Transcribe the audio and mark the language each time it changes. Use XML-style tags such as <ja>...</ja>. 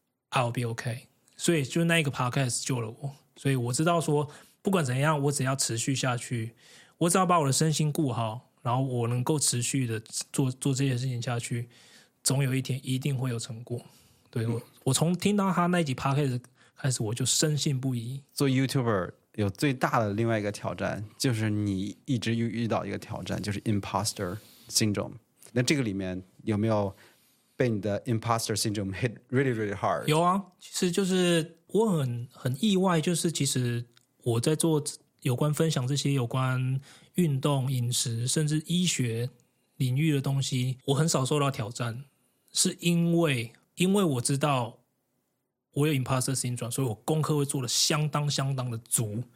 <en>I'll be okay，</en> <zh>所以就那一个 podcast 救了我，所以我知道说不管怎样我只要持续下去，我只要把我的身心顾好，然后我能够持续的 做这些事情下去，总有一天一定会有成果。对，我从听到他那集 podcast 开始我就深信不疑。做 YouTuber 有最大的另外一个挑战，就是你一直遇到一个挑战，就是 imposter syndrome。那这个里面有没有被你的</zh> <en>imposter syndrome hit really really hard？</en> <zh>有啊，其实就是我很意外，就是其实我在做有关分享这些有关运动饮食甚至医学领域的东西，我很少受到挑战，是因为我知道我有 imposter syndrome， 所以我功课会做的相当相当的足，</zh>